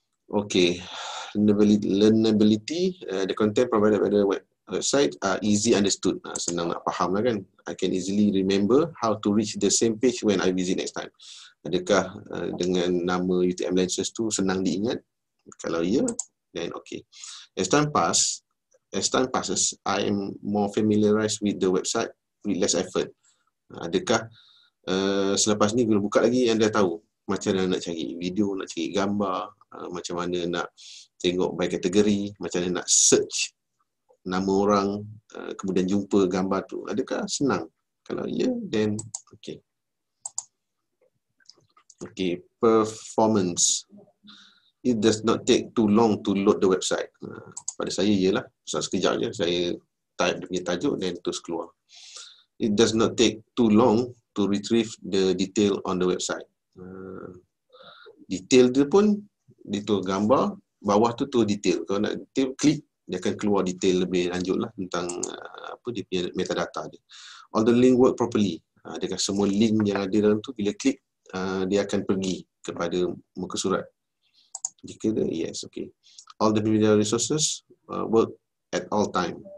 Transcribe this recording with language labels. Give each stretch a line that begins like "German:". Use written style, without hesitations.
English: Okey, learnability, the content provided by the website are easy understood.
Malay: Senang nak faham lah kan.
English: I can easily remember how to reach the same page when I visit next time.
Malay: Adakah dengan nama UTM Lenses tu senang diingat? Kalau ya,
English: then okay. As time passes, I am more familiarized with the website with less effort.
Malay: Adakah selepas ni bila buka lagi anda tahu macam mana nak cari video, nak cari gambar, macam mana nak tengok by kategori, macam mana nak search nama orang, kemudian jumpa gambar tu. Adakah senang? Kalau ya,
English: then okay. Okay, performance. It does not take too long to load the website.
Malay: Pada saya, ialah. Pasal sekejap je, saya type dia punya tajuk dan terus keluar.
English: It does not take too long to retrieve the detail on the website.
Malay: Detail dia pun, dia tu gambar, bawah tu tu detail. Kalau nak detail, klik, dia akan keluar detail lebih lanjut lah tentang apa dia punya metadata dia.
English: All the link work properly.
Malay: Adakah semua link yang ada dalam tu, bila klik, dia akan pergi kepada muka surat. Jika ada,
English: yes, okay. All the media resources work at all time.